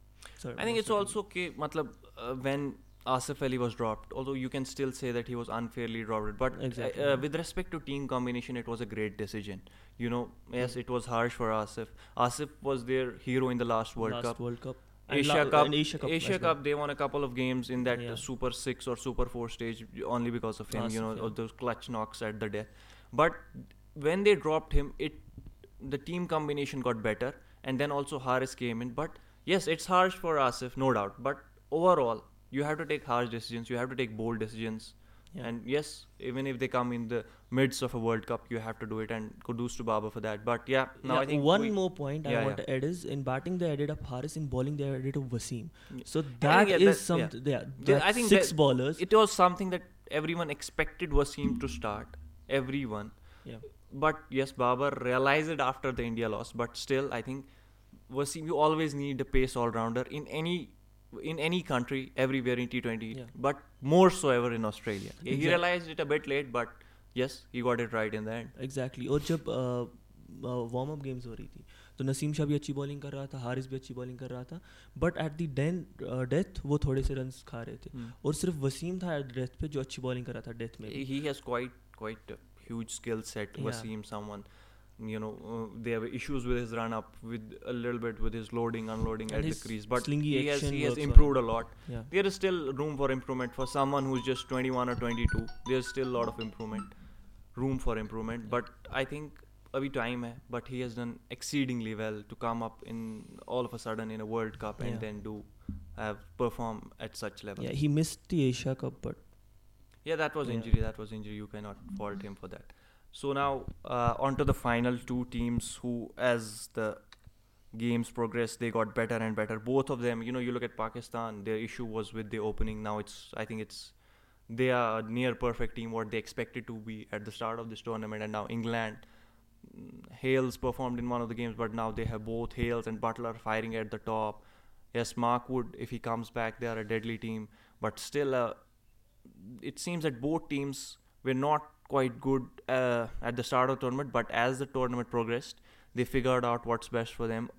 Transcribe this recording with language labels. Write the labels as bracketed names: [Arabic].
[English] I think it's also के मतलब when Asif Ali was dropped although you can still say that he was unfairly dropped but with respect to team combination it was a great decision you know yes it was harsh for Asif Asif was their hero in the last World Cup Asia Cup, they won a couple of games in that Super 6 or Super 4 stage only because of him, those clutch knocks at the death. But when they dropped him, the team combination got better and then also Haris came in. But yes, it's harsh for Asif, no doubt. But overall, you have to take harsh decisions, you have to take bold decisions. Yeah. And yes, even if they come in the midst of a World Cup, you have to do it. And kudos to Baba for that. But yeah, now yeah, I think... One more point I want to add is, in batting they added up Haris, in bowling they added up Wasim. So that I think six bowlers. It was something that everyone expected Wasim to start. Everyone. Yeah. But yes, Babar realized it after the India loss. But still, I think Wasim, you always need a pace all-rounder in any country, everywhere in T20. Yeah. But more so ever in Australia. Exactly. He realized it a bit late, but yes, he got it right in the end. Exactly. And when warm-up games were happening, [Hindi] तो नसीम शाह भी अच्छी bowling कर रहा था, हारिस भी अच्छी bowling कर रहा था, बट एट दी डेथ वो थोड़े से रन खा रहे थे. और सिर्फ वसीम था एट डेथ पे जो अच्छी बॉलिंग कर रहा था डेथ में. [English] He has quite huge skill set Wasim. Someone you know they have issues with his run up with a little bit with his loading unloading at the crease, but he has improved a lot. There is still room for improvement for someone who is just 21 और 22. There is still lot of improvement room for improvement, but I think [Hindi] अभी time है. [English] But he has done exceedingly well to come up in all of a sudden in a World Cup and then do have perform at such level. Yeah he missed the Asia Cup, but yeah that was injury. You can not fault him for that. So now on to the final two teams who as the games progress they got better and better both of them. You know you look at Pakistan, their issue was with the opening. Now it's I think it's they are near perfect team what they expected to be at the start of this tournament. And now England, Hales performed in one of the games, but now they have both Hales and Butler firing at the top. Yes, Mark Wood, if he comes back, they are a deadly team. But still, it seems that both teams were not quite good at the start of the tournament, but as the tournament progressed, they figured out what's best for them.